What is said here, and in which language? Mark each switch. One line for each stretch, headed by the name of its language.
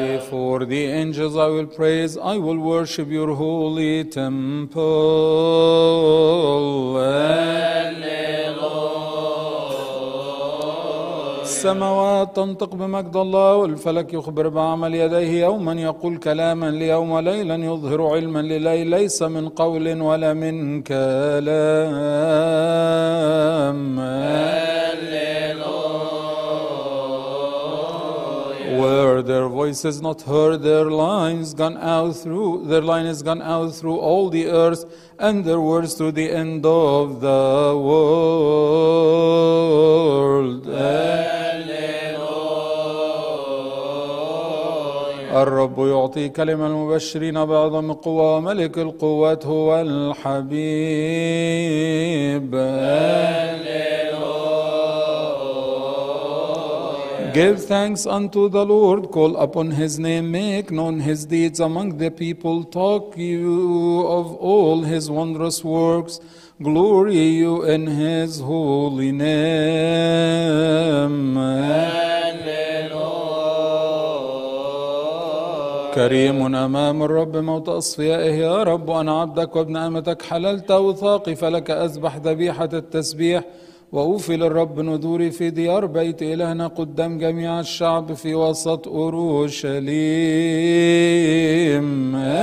English: For the angels I will praise, I will worship your holy temple.
Arabic: السماوات تنطق بمجد الله والفلك يخبر بعمل يديه، يوما يقول كلاما ليوم وليلا يظهر علما لليل، ليس من قول ولا من كلام.
English: Where their voice is not heard, their line is gone out through all the earth, and their words to the end of the world.
Arabic: الرب يعطي كلمة المبشرين بعظم قوة، ملك القوات هو الحبيب.
English: Give thanks unto the Lord, call upon his name, make known his deeds among the people, talk you of all his wondrous works, glory you in his holy name.
Arabic: كريم أمام الرب موت أصفيائه، يا رب أنا عبدك وابن أمتك، حللت وثاقي فلك أذبح ذبيحة التسبيح، وأوفي للرب نذوري في ديار بيت إلهنا قدام جميع الشعب في وسط أورشليم.